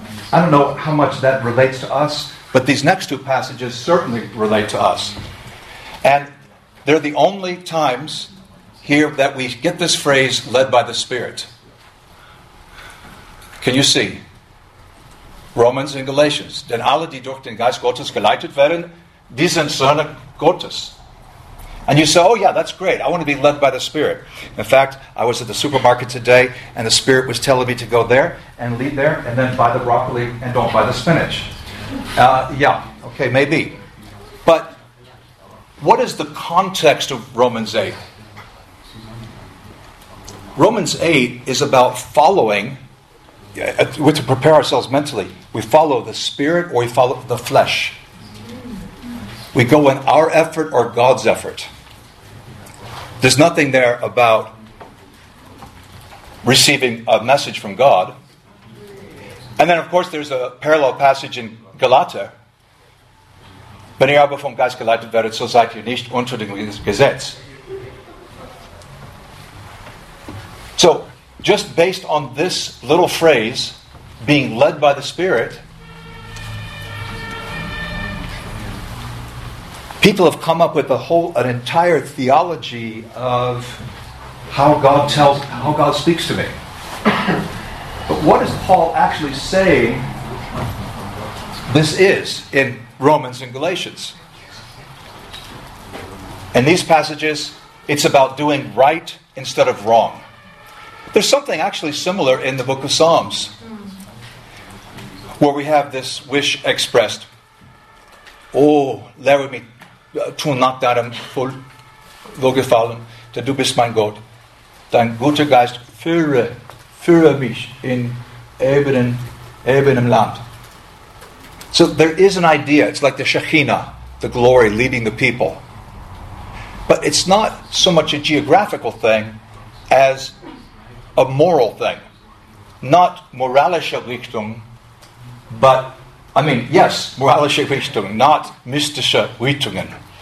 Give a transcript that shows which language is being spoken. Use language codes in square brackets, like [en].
[en] I don't know how much that relates to us, but these next two passages certainly relate to us. And they're the only times here that we get this phrase, led by the Spirit. Can you see? Romans and Galatians. [de] Denn alle, die durch den Geist Gottes geleitet werden, die sind Söhne Gottes. [en] And you say, oh yeah, that's great. I want to be led by the Spirit. In fact, I was at the supermarket today, and the Spirit was telling me to go there and lead there, and then buy the broccoli and don't buy the spinach. Yeah, okay, maybe. But what is the context of Romans 8? Romans 8 is about following, to prepare ourselves mentally. We follow the spirit or we follow the flesh. We go in our effort or God's effort. There's nothing there about receiving a message from God. And then, of course, there's a parallel passage in Galata. [de] Wenn ihr aber vom Geist geleitet werdet, so seid ihr nicht unter dem Gesetz. [en] So, just based on this little phrase, being led by the Spirit, people have come up with an entire theology of how God speaks to me. But what is Paul actually saying this is in Romans and Galatians? In these passages, it's about doing right instead of wrong. There's something actually similar in the book of Psalms, where we have this wish expressed. [de] Oh, lehre mich. Tun nach deinem Wohlgefallen, denn du bist mein Gott. Dein guter Geist führe mich in ebenem Land. [en] So there is an idea. It's like the Shekhinah, the glory leading the people. But it's not so much a geographical thing as a moral thing. Not [de] moralische Richtung, [en] but, I mean, yes, [de] moralische Richtung, [en] not [de] mystische Richtungen.